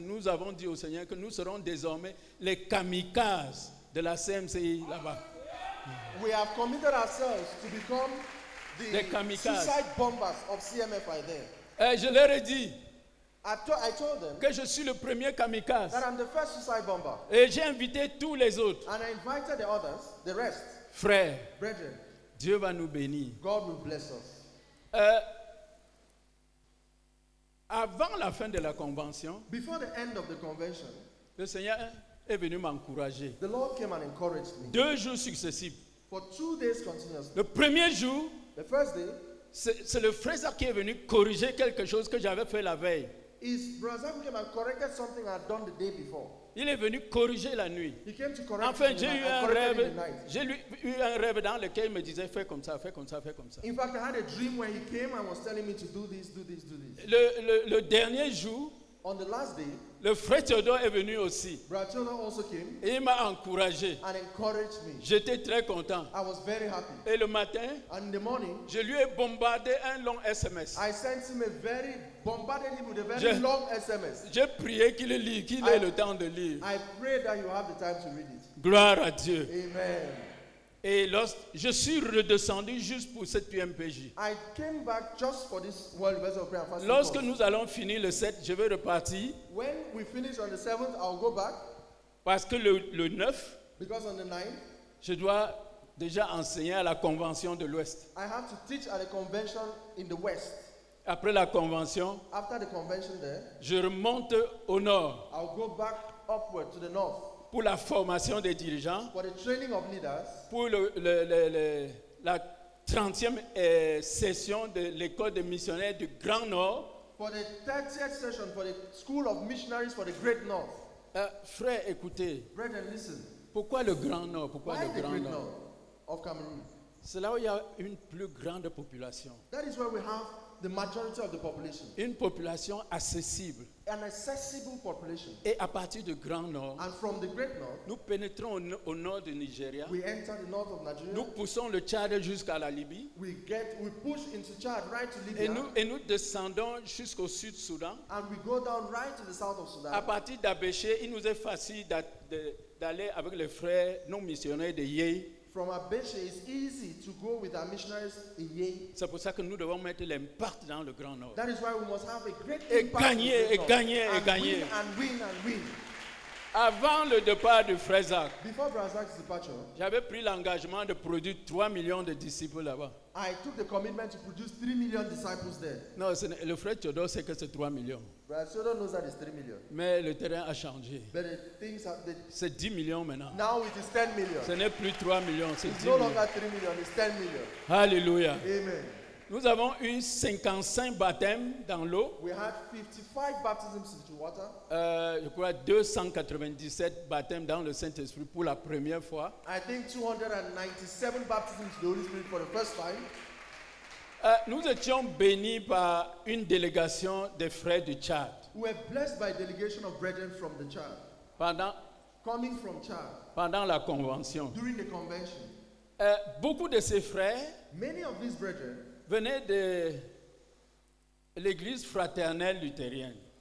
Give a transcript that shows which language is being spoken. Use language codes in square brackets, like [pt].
[fr] Nous avons dit au Seigneur que nous serons désormais les kamikazes de la CMCI là-bas. [en] We have committed ourselves to become the suicide bombers of CMFI there. [fr] Je leur ai dit, [en] I told them [fr] que je suis le premier kamikaze. [en] That I'm the first suicide bomber. [fr] Et j'ai invité tous les autres. [en] And I invited the others, the rest. [fr] Frères, [en] brethren, [fr] Dieu va nous bénir. [en] God will bless us. [fr] Avant la fin de la convention, [en] before the end of the convention, [fr] le Seigneur est venu m'encourager. [en] The Lord came and encouraged me. [fr] Deux jours successifs. [en] For 2 days continuously. [fr] Le premier jour, [en] the first day, [fr] c'est le frère Zach qui est venu corriger quelque chose que j'avais fait la veille. [en] His brother Zach came and corrected something I had done the day before. [fr] Il est venu corriger la nuit. [en] He came to correct. [fr] Enfin, j'ai eu un rêve. J'ai eu un rêve dans lequel il me disait fais comme ça, fais comme ça, fais comme ça. [en] In fact, I had a dream where he came and was telling me to do this, do this, do this. [fr] Le dernier jour, [en] on the last day, [fr] le frère Théodore est venu aussi. [en] Brother Théodore also came. [fr] Et il m'a encouragé. [en] And encouraged me. [fr] J'étais très content. [en] I was very happy. [fr] Et le matin, [en] and in the morning, [fr] je lui ai bombardé un long SMS. [en] I sent him a very bombarded him with a very long SMS. [fr] J'ai prié qu'il lit, qu'il ait le temps de lire. [en] I prayed that you have the time to read it. [fr] Gloire à Dieu. [en] Amen. [fr] Et lorsque je suis redescendu juste pour cette UMPJ, [en] I came back just for this World Vessel Prayer Fasting. [fr] Lorsque nous allons finir le 7, je vais repartir. [en] When we finish on the 7th, I'll go back. [fr] Parce que le 9, [en] because on the 9th, [fr] je dois déjà enseigner à la convention de l'Ouest. [en] I have to teach at a convention in the West. [fr] Après la convention, [en] after the convention there, [fr] je remonte au nord. [en] I'll go back upward to the north. [fr] Pour la formation des dirigeants, [en] for the training of leaders, [fr] pour la 30e session de l'école des missionnaires du Grand Nord, [en] for the 30th session for the School of Missionaries for the Great North. [fr] Frère, écoutez. [en] Brethren, listen. [fr] Pourquoi le Grand Nord? Pourquoi [en] why [fr] le Grand [en] Great [fr] Nord? [en] Of Cameroon. [fr] C'est là où il y a une plus grande population. [en] That is where we have the majority of the population. [fr] Une population accessible. [en] An accessible population. [fr] Et à partir du Grand Nord, [en] and from the Great North, [fr] nous pénétrons au nord du Nigeria. [en] We enter the north of Nigeria. [fr] Nous poussons le Tchad jusqu'à la Libye. [en] We push into Tchad right to Libya. [fr] Et nous descendons jusqu'au sud Soudan. [en] And we go down right to the south of Sudan. [fr] À partir d'Abéché, il nous est facile d'aller avec les frères non missionnaires de Yéi. [en] From Abéché, it's easy to go with our missionaries in Yéi. [fr] C'est pour ça que nous devons mettre l'impact dans le Grand Nord. [en] That is why we must have a great [fr] impact. Et gagner. [en] And win. [fr] Avant le départ du frère Zach, [en] before Brother Zach's departure, [fr] j'avais pris l'engagement de produire 3 millions de disciples là-bas. [en] I took the commitment to produce 3 million disciples there. [fr] Non, le frère Théodore sait que c'est 3 millions. [en] Brother Théodore knows that it's 3 million. [fr] Mais le terrain a changé. [en] But the things have [fr] been, c'est 10 millions maintenant. [en] Now it is 10 million. [fr] Ce n'est plus 3 millions, c'est [en] it's [fr] 10 millions. [en] It's no longer 3 million, it's 10 million. [fr] Hallelujah. [en] Amen. [fr] Nous avons eu 55 baptêmes dans l'eau. [en] We had 55 baptisms into water. [fr] Je crois 297 baptêmes dans le Saint-Esprit pour la première fois. [en] I think 297 baptisms into the Holy Spirit for the first time. [fr] Nous étions bénis par une délégation des frères du Tchad. [en] We were blessed by a delegation of brethren from the Tchad. [fr] pendant la convention. [en] During the convention. [fr] Beaucoup de ses frères [en] Many of these brethren, [fr] venaient de l'église fraternelle luthérienne.